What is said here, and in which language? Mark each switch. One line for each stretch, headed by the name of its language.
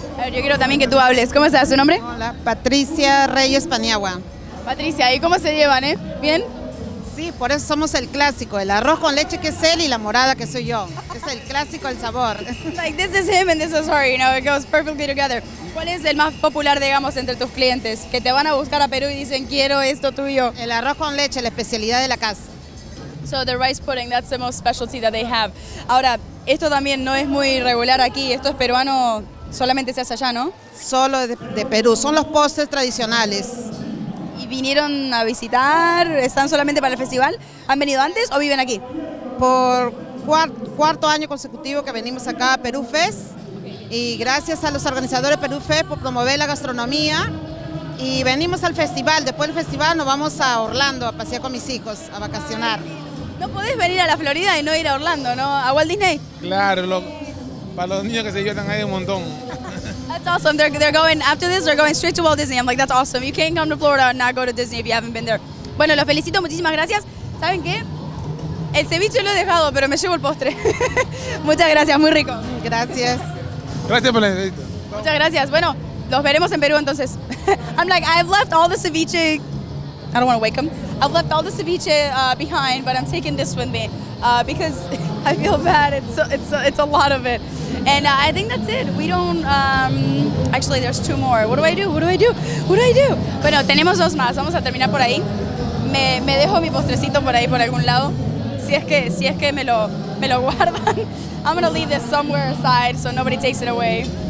Spanish: A ver, yo quiero también que tú hables. ¿Cómo estás? ¿Su nombre? Hola, Patricia Reyes Paniagua. Patricia, ¿y cómo se llevan, eh? ¿Bien? Sí, por eso somos el clásico, el arroz con leche que es él y la morada que soy yo. Es el clásico, el sabor.
English: Like, this is him and this is her, you know, it goes perfectly together.
Spanish: ¿Cuál es el más popular, digamos, entre tus clientes? Que te van a buscar a Perú y dicen, quiero esto tuyo. El arroz con leche, la especialidad de la casa.
English: So the rice pudding, that's the most specialty that they have.
Spanish: Ahora, esto también no es muy regular aquí, esto es peruano, solamente se hace allá, ¿no? Solo de Perú, son los postres tradicionales. ¿Y vinieron a visitar? ¿Están solamente para el festival? ¿Han venido antes o viven aquí? Por cuarto año consecutivo que venimos acá a Perú Fest. Y gracias a los organizadores Perú Fest por promover la gastronomía. Y venimos al festival. Después del festival nos vamos a Orlando a pasear con mis hijos, a vacacionar. No podés venir a la Florida y no ir a Orlando, ¿no? ¿A Walt Disney? Claro, para los niños que se llevan ahí un montón.
English: That's awesome. They're going, after this, they're going straight to Walt Disney. I'm like, that's awesome. You can't come to Florida and not go to Disney if you haven't been there.
Spanish: Bueno, los felicito. Muchísimas gracias. ¿Saben qué? El ceviche lo he dejado, pero me llevo el postre. Muchas gracias. Muy rico. Gracias. Gracias por la invitación. Muchas gracias. Bueno, los veremos en Perú entonces.
English: I'm like, I've left all the ceviche. I don't want to wake them. I've left all the ceviche behind, but I'm taking this with me because I feel bad. It's a lot of it. And I think that's it. We don't, actually, there's two more. What do I do?
Spanish: Bueno, tenemos dos más. Vamos a terminar por ahí. Me dejo mi postrecito por ahí, por algún lado. Si es que me lo guardan.
English: I'm going to leave this somewhere aside so nobody takes it away.